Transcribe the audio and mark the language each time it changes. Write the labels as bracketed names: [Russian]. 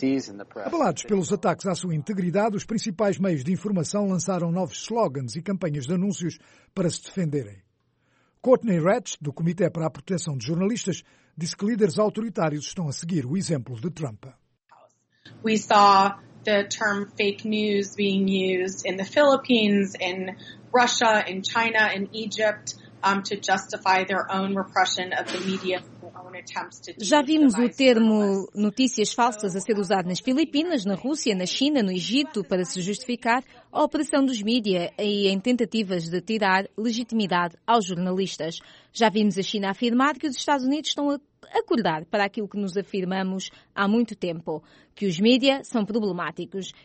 [Portuguese] Abalados pelos ataques à sua integridade, os principais meios de informação lançaram novos slogans e campanhas de anúncios para se defenderem. Courtney Ratch, do Comitê para a Proteção de Jornalistas, disse que líderes autoritários estão a seguir o exemplo de Trump. [English] We saw the term fake news being used in the Philippines, in Russia, in China, in Egypt, to justify their own repression of the media. [Portuguese] Já vimos o termo notícias falsas a ser usado nas Filipinas, na Rússia, na China, no Egito, para se justificar a opressão dos mídia e em tentativas de tirar legitimidade aos jornalistas. Já vimos a China afirmar que os Estados Unidos estão a acordar para aquilo que nos afirmamos há muito tempo, que os mídia são problemáticos.